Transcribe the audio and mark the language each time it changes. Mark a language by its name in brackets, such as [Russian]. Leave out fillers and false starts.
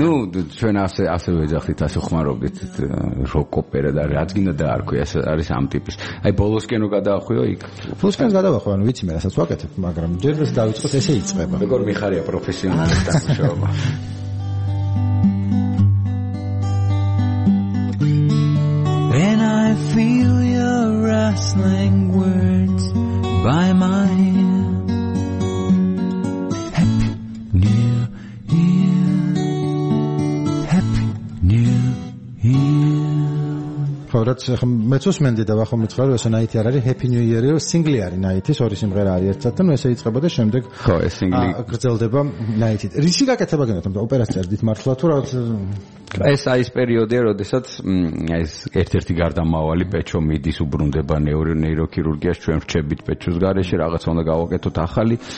[Georgian] Ну, ჩვენ ასე ვეძახით, ასე ხმარობდით როკ ოპერა და რა გინდა და არქვი, ეს არის ამ ტიპის. აი ბოლოსკენო გადაახვიო იქ. ბოლოსკენს გადაახვიო, ანუ ვიცი მე რასაც ვაკეთებ, მაგრამ ჯერ დავიწყოთ ესე იწება. როგორ მიხარია პროფესიონალური დამუშავება? [English] When I feel your wrestling words by my ear, Happy New Year, Happy New Year. [Georgian] ხოდა ცხ მეც უსმენდი და ვახო მეცხარო ესე ნაიტი არ არის ჰეპი ნიუ იერი, ეს სინგლი არის ნაიტის, ორი სიმღერა არის ერთად და ესე იწყება და შემდეგ ხო ეს სინგლი გრძელდება ნაიტით. რიში გაკეთება გინდათ ამ ოპერას წერდით მართლა თუ რა? ეს აი ეს პერიოდია, როდესაც ეს ერთ-ერთი გარდამავალი პეჩო მიდის, უბრუნდება ნეიროქირურგიას, ჩვენ ვრჩებით პეჩოს გარეშე, რაღაცა უნდა გავაკეთოთ ახალი.